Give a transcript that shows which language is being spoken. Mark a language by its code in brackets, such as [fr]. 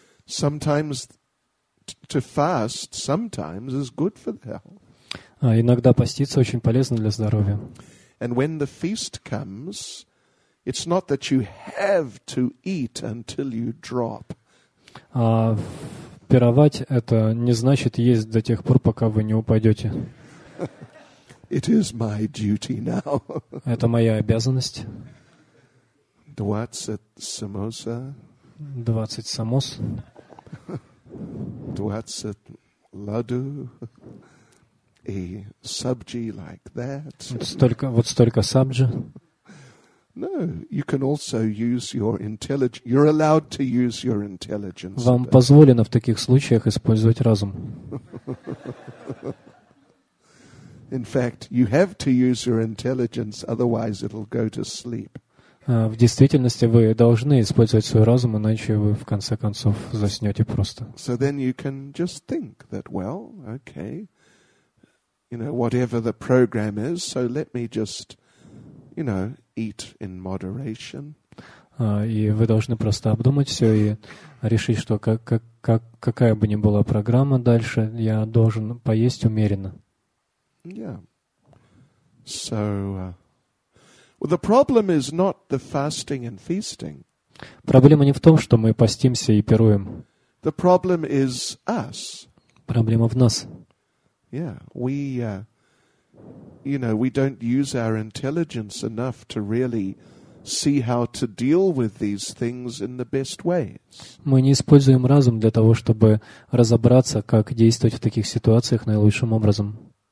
[en] Sometimes to fast sometimes is good for the health. [ru] А иногда поститься очень полезно для здоровья. [en] And when the feast comes, it's not that you have to eat until you drop. [ru] А пировать это не значит есть до тех пор, пока вы не упадете. [en] It is my duty now. [ru] Это моя обязанность. 20 самоса. 20 самос. 20 ладу. И сабджи [en] like that. [ru] Вот столько сабджи. [en] No, you can also use your intelligence. You're allowed to use your intelligence. [ru] Вам позволено в таких случаях использовать разум. [en] In fact, you have to use your intelligence, otherwise it'll go to sleep. [ru] В действительности вы должны использовать свой разум, иначе вы в конце концов заснете просто. [en] So then you can just think that, well, okay, you know, whatever the program is, so let me just, you know, eat in moderation. [ru] И вы должны просто обдумать все и решить, что какая бы ни была программа дальше, я должен поесть умеренно. [en] Yeah. So, well, the problem is not the fasting and feasting. [ru] Проблема не в том, что мы постимся и пируем. [en] The problem is us. [ru] Проблема в нас. [en] Yeah, we, you know, we don't use our intelligence enough to really see how to deal with these things in the best ways. [ru] Мы не используем разум для того, чтобы разобраться, как действовать в таких ситуациях наилучшим образом.